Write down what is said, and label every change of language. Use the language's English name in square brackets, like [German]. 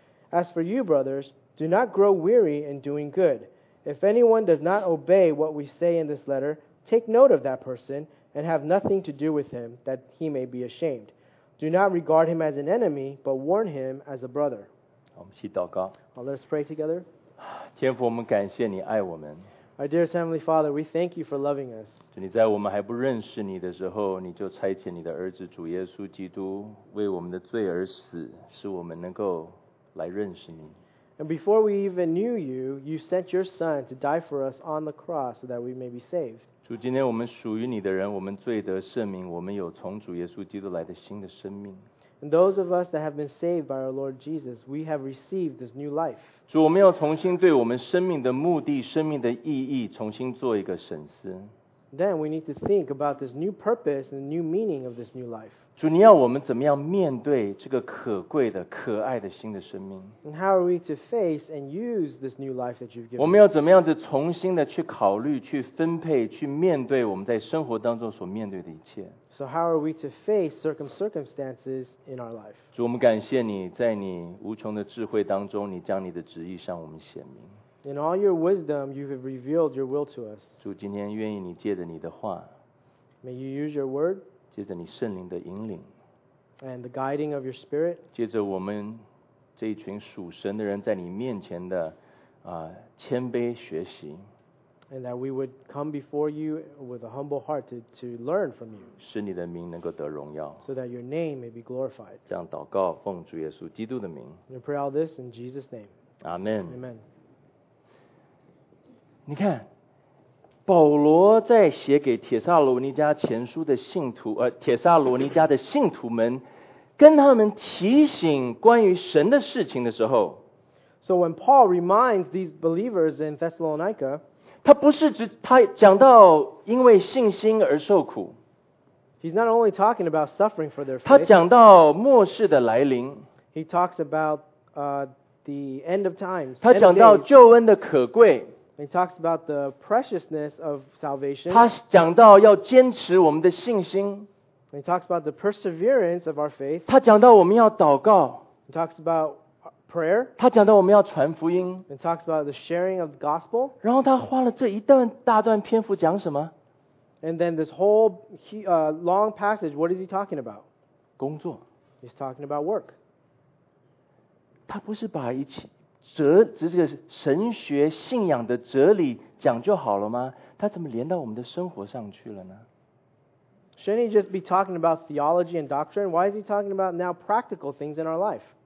[English] As for you, brothers, do not grow weary in doing good. If anyone does not obey what we say in this letter, take note of that person and have nothing to do with him, that he may be ashamed. Do not regard him as an enemy, but warn him as a brother. [Chinese] 我们一起祷告。 [English] Well, let us pray together. [Chinese] 天父，我们感谢你爱我们。 [English] My dearest Heavenly Father, we thank you for loving us. [Chinese] 主，你在我们还不认识你的时候，你就差遣你的儿子主耶稣基督为我们的罪而死，使我们能够来认识你。 [English] And before we even knew you, you sent your Son to die for us on the cross so that we may be saved. [Chinese] 主，今天我们属于你的人，我们罪得赦免，我们有从主耶稣基督来的新的生命。 [English] And those of us that have been saved by our Lord Jesus, we have received this new life. [Chinese] 主，我们要重新对我们生命的目的、生命的意义重新做一个审视。 [English] Then we need to think about this new purpose and the new meaning of this new life. [Chinese] 主，你要我们怎么样面对这个可贵的、可爱的新的生命？ [English] And how are we to face and use this new life that you've given us? [Chinese] 我们要怎么样子重新的去考虑、去分配、去面对我们在生活当中所面对的一切？ [English] So how are we to face certain circumstances in our life? [Chinese] 主，我们感谢你，在你无穷的智慧当中，你将你的旨意向我们显明。 [English] In all your wisdom, you have revealed your will to us. [Chinese] 主，今天愿意你借着你的话， [English] May you use your word. [Chinese] 借着你圣灵的引领， [English] And the guiding of your spirit. [Chinese] 借着我们这一群属神的人在你面前的谦卑学习， [English] And that we would come before you with a humble heart to learn from you. [Chinese] 使你的名能够得荣耀， [English] So that your name may be glorified. [Chinese] 这样祷告，奉主耶稣基督的名。 [English] We pray all this in Jesus' name. Amen. Amen. [Chinese] 你看，保罗在写给帖撒罗尼迦前书的信徒，帖撒罗尼迦的信徒们，跟他们提醒关于神的事情的时候 [English] ，So when Paul reminds these believers in Thessalonica， [Chinese] 他不是只他讲到因为信心而受苦 [English] ，He's not only talking about suffering for their faith， [Chinese] 他讲到末世的来临 [English] ，He talks about the end of times， [Chinese] 他讲到救恩的可贵。 [English] He talks about the preciousness of salvation. [Chinese] 他讲到要坚持我们的信心。 [English] He talks about the perseverance of our faith. [Chinese] 他讲到我们要祷告。 [English] He talks about prayer. [Chinese] 他讲到我们要传福音。 [English] He talks about the sharing of the gospel. [Chinese] 然后他花了这一段大段篇幅讲什么？ [English] And then this whole long passage, what is he talking about? [Chinese] 工作。 [English] He's talking about work. [Chinese] 他不是把一切只是个神学信仰的哲理讲就好了吗？他怎么连到我们的生活上去了呢？ [English] Shouldn't he just be talking about theology and doctrine? Why is he talking about now practical things in our life?